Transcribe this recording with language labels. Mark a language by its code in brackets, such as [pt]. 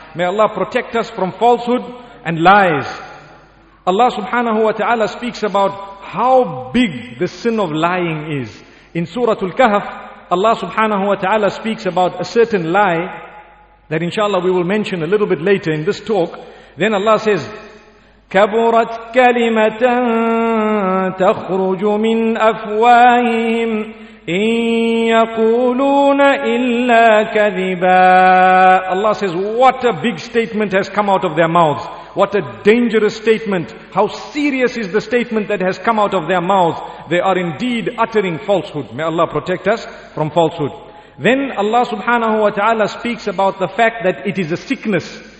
[en] May Allah protect us from falsehood and lies. Allah subhanahu wa ta'ala speaks about how big the sin of lying is. In Surah Al-Kahf, Allah subhanahu wa ta'ala speaks about a certain lie that inshallah we will mention a little bit later in this talk. Then Allah says, [ar] كَبُرَتْ كَلِمَةً تَخْرُجُ مِنْ أَفْوَاهِهِمْ إِن يَقُولُونَ إِلَّا كَذِبًا. [en] Allah says, what a big statement has come out of their mouths. What a dangerous statement. How serious is the statement that has come out of their mouths. They are indeed uttering falsehood. May Allah protect us from falsehood. Then Allah subhanahu wa ta'ala speaks about the fact that it is a sickness.